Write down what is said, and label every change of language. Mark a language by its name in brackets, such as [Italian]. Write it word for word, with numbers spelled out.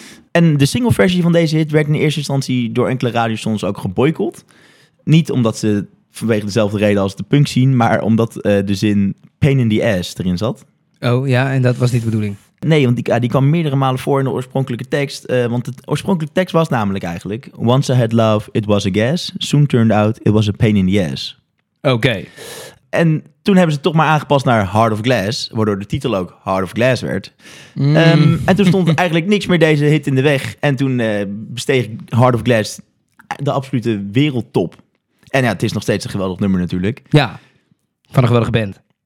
[Dutch] En de singleversie van deze hit werd in eerste instantie door enkele radiostations ook geboycott. Niet omdat ze vanwege dezelfde reden als de punk scene, maar omdat eh, de zin [English] pain in the ass [Dutch] erin zat. Oh ja, en dat was niet de bedoeling. Nee, want die, ah, die kwam meerdere malen voor in de oorspronkelijke tekst. eh, want de oorspronkelijke tekst was namelijk eigenlijk... [English] Once I had love, it was a gas. Soon turned out, it was a pain in the ass. [Dutch] Oké. En toen hebben ze het toch maar aangepast naar Heart of Glass. Waardoor de titel ook Heart of Glass werd. Ehm, en toen stond eigenlijk niks meer deze hit in de weg. En toen eh, besteeg Heart of Glass de absolute wereldtop. En ja, het is nog steeds een geweldig nummer natuurlijk. Ja. Van een geweldige band.